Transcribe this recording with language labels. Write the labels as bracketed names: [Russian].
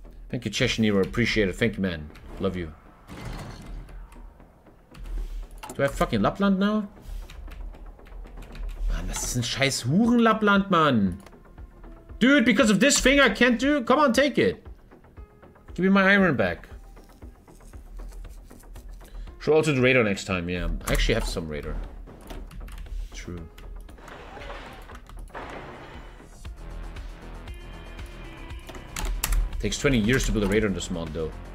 [English] Thank you, Cheshire. Appreciate it. Thank you, man. Love you. Do I have fucking Lapland now? [German] Das ist ein scheiß Huren-Lapland, man. [English] Dude, because of this thing I can't do? Come on, take it. Give me my iron back. Should also do radar next time, yeah. I actually have some radar. True. It takes 20 years to build a radar in this mod, though.